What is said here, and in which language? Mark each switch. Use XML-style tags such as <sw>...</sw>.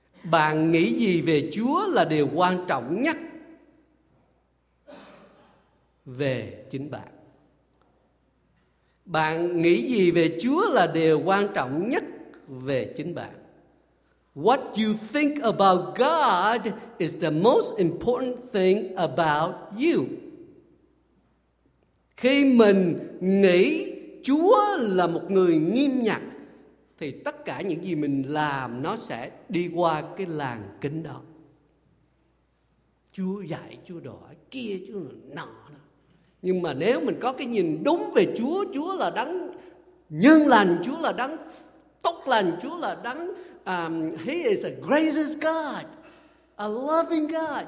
<vi>Bạn nghĩ gì về Chúa là điều quan trọng nhất về chính bạn. Bạn nghĩ gì về Chúa là điều quan trọng nhất về chính bạn.</vi> <en>What you think about God is the most important thing about you.</en> <vi>Khi mình nghĩ Chúa là một người nghiêm nhặt thì tất cả những gì mình làm nó sẽ đi qua cái làn kính đó. Chúa dạy, Chúa đỏ, kia Chúa nọ đó. Nhưng mà nếu mình có cái nhìn đúng về Chúa, Chúa là đấng nhân lành, Chúa là đấng tốt lành, Chúa là đấng</vi> <en>He is a gracious God, a loving God.</en>